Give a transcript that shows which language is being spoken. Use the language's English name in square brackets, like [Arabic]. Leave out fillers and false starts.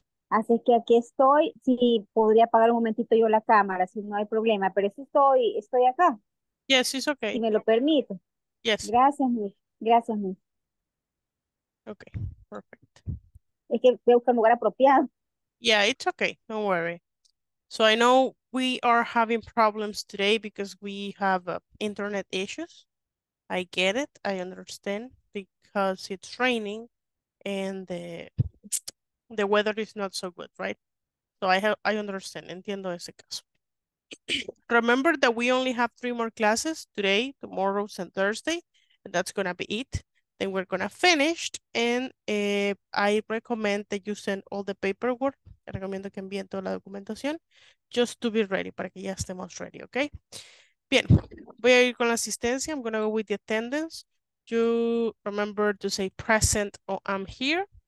[Spanish] Así que aquí estoy. Sí, podría apagar un momentito yo la cámara, si no hay problema, pero sí estoy acá. [English] Yes, it's [Spanish] Si [English] okay. [Spanish] me lo permite. [English] Yes. [Spanish] Gracias, Miss. Gracias, Miss. [English] Okay, perfect. [Spanish] Es que voy a buscar un lugar apropiado. [English] Yeah, it's okay. Don't worry. So I know we are having problems today because we have internet issues. I get it. I understand because it's raining and the weather is not so good, right? So I understand. [Spanish] Entiendo ese caso. [English] Remember that we only have three more classes today, tomorrow, and Thursday, and that's gonna be it. Then we're gonna finish, and I recommend that you send all the paperwork. [Spanish] Recomiendo que envíen toda la documentación, [English] just to be ready, [Spanish] para que ya estemos ready, okay? Bien, voy a ir con la asistencia. [English] I'm gonna go with the attendance. You remember to say present or I'm here.